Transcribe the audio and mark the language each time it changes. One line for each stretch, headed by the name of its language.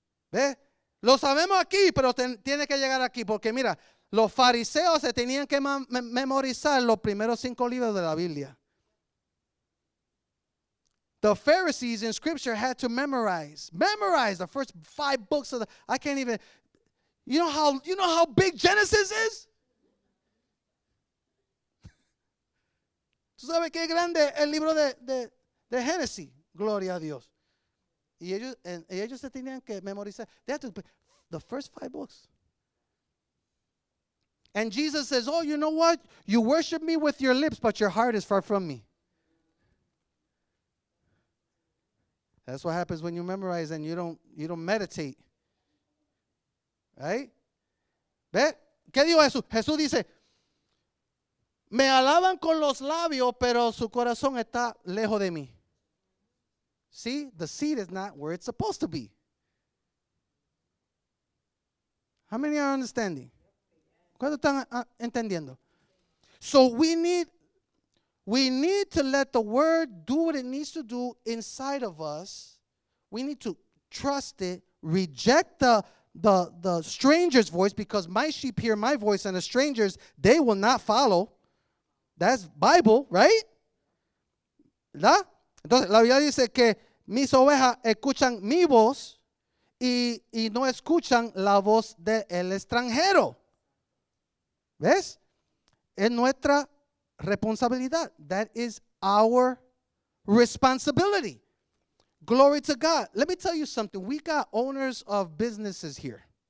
Spanish: ¿Ve? Lo sabemos aquí, pero tiene que llegar aquí. Porque mira, los fariseos se tenían que memorizar los primeros 5 libros de la Biblia.
English: The Pharisees in Scripture had to memorize the first 5 books of the. I can't even. You know how big Genesis is?
Spanish: ¿Tú sabes qué grande el libro de Génesis? Gloria a Dios. Y ellos se tenían que memorizar.
English: They had to the first 5 books. And Jesus says, oh, you know what? You worship me with your lips, but your heart is far from me. That's what happens when you memorize and you don't meditate. Right?
Spanish: ¿Ve? ¿Qué dijo Jesús? Jesús dice, me alaban con los labios, pero su corazón está lejos de mí.
English: See? The seed is not where it's supposed to be. How many are understanding?
Spanish: ¿Cuántos están entendiendo?
English: So we need to let the word do what it needs to do inside of us. We need to trust it, reject the stranger's voice, because my sheep hear my voice and the strangers, they will not follow. That's Bible, right?
Spanish: ¿Verdad? Entonces, la Biblia dice que mis ovejas escuchan mi voz y no escuchan la voz del extranjero. ¿Ves? Es nuestra responsabilidad.
English: That is our responsibility. Glory to God. Let me tell you something. We got owners of businesses here.